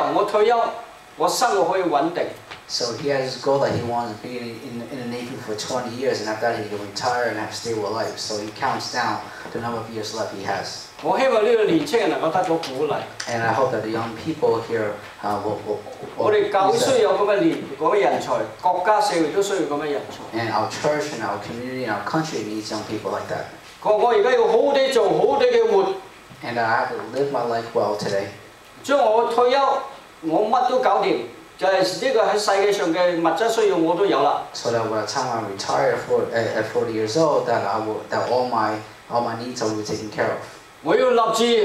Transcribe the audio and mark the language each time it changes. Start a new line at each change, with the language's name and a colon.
Cantonese: 嗱，1年過去，仲有11年，20年之後我退休，我生活可以穩定。
English: So he has his goal that he wants to be in the Navy for 20 years, and after that he can retire and have a stable life. So he counts down the number of years left he has.
Cantonese: 我希望呢個年青人能夠得到鼓勵。And
English: I hope that the young people here
Cantonese: will. 我哋教會需要咁嘅人才，國家社會都需要咁嘅人才。
English: And our church and our community and our country needs young people like that.
Cantonese: 我而家要好好地做，好好地嘅活。And
English: I have to live my life well today.
Cantonese: 將我退休，我乜都搞掂。就係呢個喺世界上嘅物質需要我都有啦。
English: So that by the time I retire at 40 years old, that all my needs will be taken care of.